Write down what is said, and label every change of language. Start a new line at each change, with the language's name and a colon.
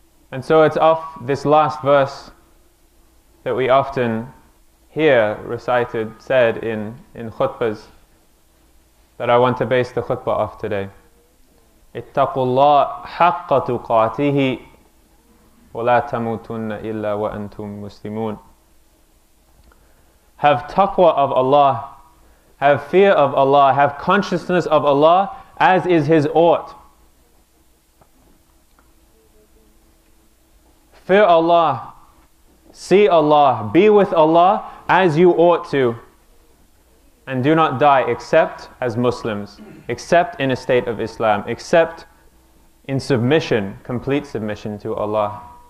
English: And so it's off this last verse that we often hear recited, said in khutbahs, that I want to base the khutbah off today.
Arabic: اتقوا الله حق تقاته ولا تموتن إلا وأنتم مسلمون.
English: Have taqwa of Allah, have fear of Allah, have consciousness of Allah, as is His ought. Fear Allah, see Allah, be with Allah as you ought to, and do not die except as Muslims, except in a state of Islam, except in submission, complete submission to Allah.